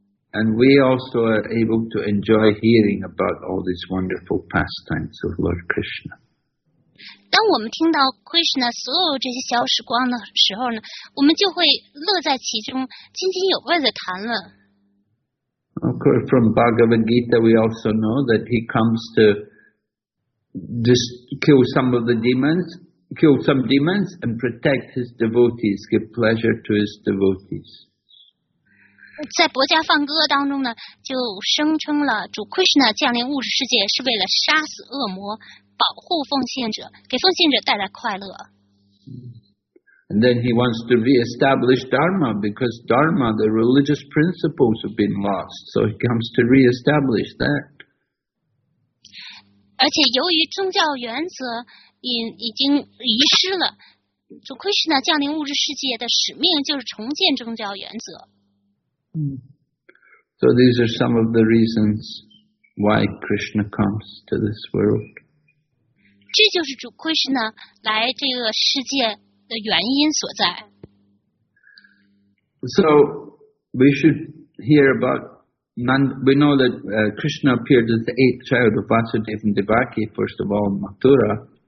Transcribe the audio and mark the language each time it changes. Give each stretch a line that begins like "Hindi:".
English: And we also are able to enjoy hearing about all these wonderful pastimes of Lord Krishna.
Chinese: 当我们听到 Krishna 所有这些逍遥时光的时候呢，我们就会乐在其中，津津有味的谈论。
English: Of course, from Bhagavad Gita, we also know that he comes to just kill some of the demons, kill some demons and protect his devotees, give pleasure to his devotees.
Chinese: 在博伽梵歌当中呢，就声称了主 Krishna 降临物质世界是为了杀死恶魔，保护奉献者，给奉献者带来快乐。
English: And then he wants to re-establish Dharma because Dharma, the religious principles, have been lost. So he comes to re-establish that.
Chinese: 而且由于宗教原则已经遗失了，主 Krishna 降临物质世界的使命就是重建宗教原则。
English: So these are some of the reasons why Krishna comes to this world.
Chinese: 这就是主 Krishna 来这个世界的原因所在。
English: So we should hear about we know that Krishna appeared as the eighth child of Vasudeva and Devaki, first of all, in Mathura.